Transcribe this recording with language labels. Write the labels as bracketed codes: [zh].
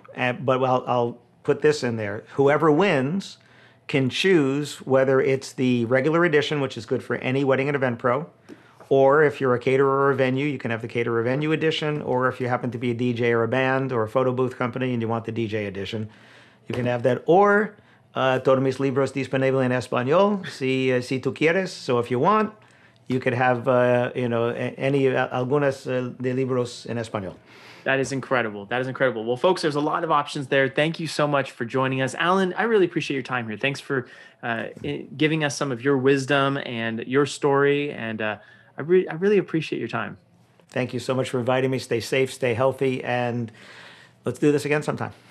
[en] But I'll put this in there. Whoever wins can choose whether it's the regular edition, which is good for any wedding and event pro, Or if you're a caterer or a venue, you can have the caterer venue edition. Or if you happen to be a DJ or a band or a photo booth company and you want the DJ edition, you can have that. [es] Or todos mis libros disponibles en español, si tú quieres. [en] So if you want, you could have [es] algunas de libros en español. [en] That is incredible. That is incredible. Well, folks, there's a lot of options there. Thank you so much for joining us. Alan, I really appreciate your time here. Thanks for giving us some of your wisdom and your story. And I really appreciate your time. Thank you so much for inviting me. Stay safe, stay healthy, and let's do this again sometime.